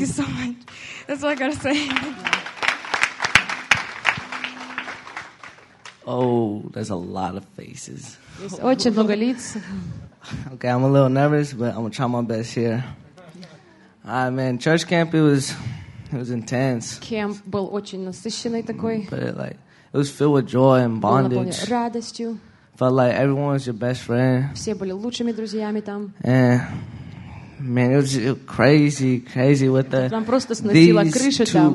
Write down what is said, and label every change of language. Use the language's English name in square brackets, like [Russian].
[English] You so much. That's all I gotta say. Oh, there's a lot of faces. [Russian] Очень много лиц. [English] Okay, I'm a little nervous, but I'm gonna try my best here. All right, man, church camp, it was intense. [Russian] Camp был очень насыщенный такой. [English] But it, like, it was filled with joy and bondage. [Russian] Было наполнено радостью. [English] Felt like everyone was your best friend. [Russian] Все были лучшими друзьями там. [English] And man, it was crazy with the [Russian] там просто сносило крышу там.